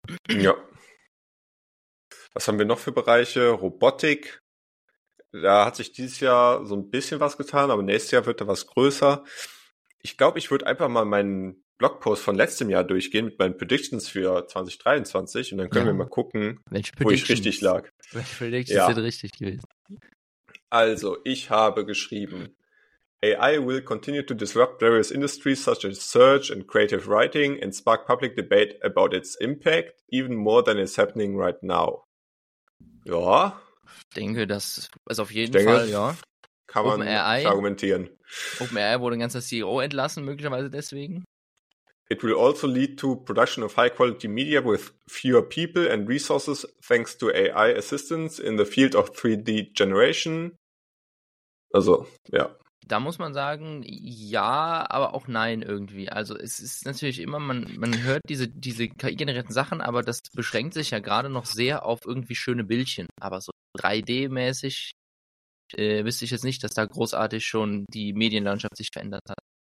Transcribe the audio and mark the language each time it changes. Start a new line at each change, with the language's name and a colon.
German: Ja. Was haben wir noch für Bereiche? Robotik. Da hat sich dieses Jahr so ein bisschen was getan, aber nächstes Jahr wird da was größer. Ich glaube, ich würde einfach mal meinen Blogpost von letztem Jahr durchgehen mit meinen Predictions für 2023 und dann können wir mal gucken, wo ich richtig lag. Welche Predictions sind richtig gewesen? Also, ich habe geschrieben,
English: AI will continue to disrupt various industries such as search and creative writing and spark public debate about its impact even more than is happening right now.
German: Ja. Ich denke, das ist auf jeden Fall, ja. Kann man AI argumentieren. OpenAI wurde ein ganzer CEO entlassen, möglicherweise deswegen.
English: It will also lead to production of high-quality media with fewer people and resources thanks to AI assistance in the field of 3D generation.
German: Also, ja. Da muss man sagen, ja, aber auch nein irgendwie. Also es ist natürlich immer, man hört diese KI-generierten Sachen, aber das beschränkt sich ja gerade noch sehr auf irgendwie schöne Bildchen. Aber so 3D-mäßig wüsste ich jetzt nicht, dass da großartig schon die Medienlandschaft sich verändert hat.